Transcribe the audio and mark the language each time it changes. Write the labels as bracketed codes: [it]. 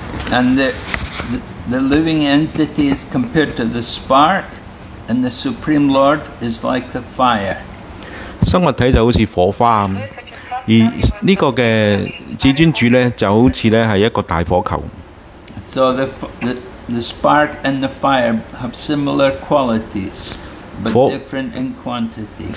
[en] And the living entity is compared to the spark, and the Supreme Lord is like the fire. [yue] 生物體就好似火花咁。而呢個嘅至尊主咧，就好似咧係一個大火球。 [en] So the spark and the fire have similar qualities, but different in quantity.